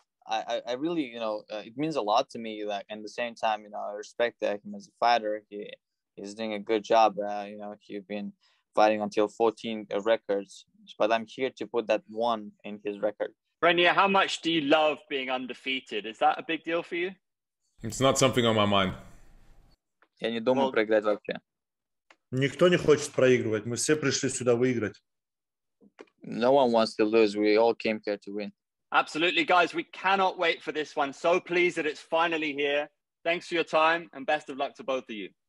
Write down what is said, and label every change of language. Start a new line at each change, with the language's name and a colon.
English: It means a lot to me, like, and at the same time, I respect him as a fighter. He's doing a good job. He's been fighting until 14 records, but I'm here to put that one in his record. Reinier, how much do you love being undefeated? Is that a big deal for you? It's not something on my mind.
Russian: Я не думаю проиграть вообще. Никто не хочет проигрывать. Мы все пришли сюда выиграть.
English: No one wants to lose. We all came here to win. Absolutely, guys. We cannot wait for this one. So pleased that it's finally here. Thanks for your time and best of luck to both of you.